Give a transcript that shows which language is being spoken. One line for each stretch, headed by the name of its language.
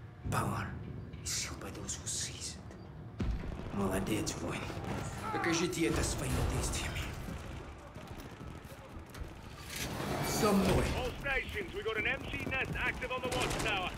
English: Power is held by those who seize it.
Russian: Молодец, воин. Покажите это своими действиями. Со мной.
English: We got an empty nest active on the watchtower.